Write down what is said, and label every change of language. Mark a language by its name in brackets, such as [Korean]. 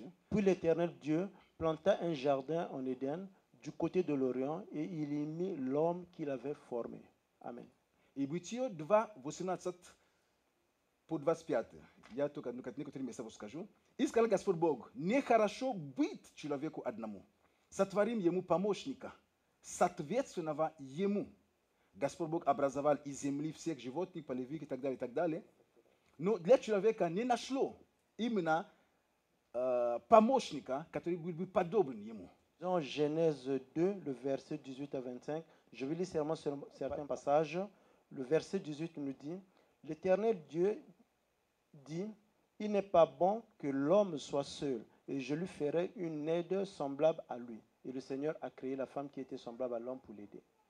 [French] Puis l'Éternel Dieu planta un jardin en Éden du côté de l'Orient et il y mit l'homme qu'il avait formé. Amen. [Russian] И Бытие 2, 18 по 25. Я только некоторые места скажу. И сказал Господь Бог, нехорошо быть человеку одному. Сотворим ему помощника, соответственного ему. Господь Бог образовал из земли всех животных, полевых и так далее, и так далее. Но для человека не нашло именно помощника, который был бы подобен ему. [French] Dans Genèse 2, le verset 18 à 25, je vais lire seulement certains passages. Le verset 18 nous dit, « L'Éternel Dieu dit, il n'est pas bon que l'homme soit seul, et je lui ferai une aide semblable à lui. » Et le Seigneur a créé la femme qui était semblable à l'homme pour l'aider.